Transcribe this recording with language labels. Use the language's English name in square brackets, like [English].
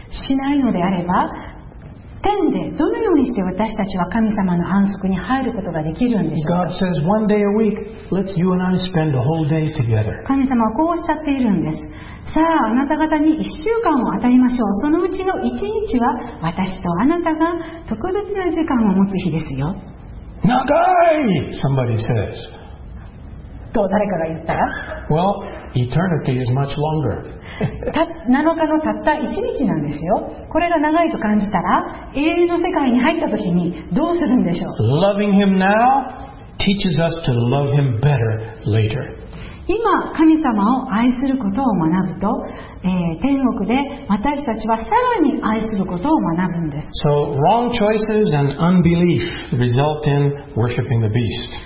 [Japanese] しないのであれば、天でどのようにして私たちは神様の安息に入ることができるんでしょうか。 [English] God says one day a week, let's you and I spend a whole day together. [Japanese] 神様はこうおっしゃっているんです。さあ、あなた方に1週間を与えましょう。そのうちの1日は私とあなたが特別な時間を持つ日ですよ。長い、 [English] somebody says. [Japanese] と誰かが言ったら、 [English] Well, eternity is much longer. [Japanese] 7日のたった1日なんですよ。これが長いと感じたら、永遠の世界に入った時にどうするんでしょう。 [English] Loving him now teaches us to love him better later. [Japanese] 今神様を愛することを学ぶと、天国で私たちはさらに愛することを学ぶんです。 [English] So wrong choices and unbelief result in worshiping the beast.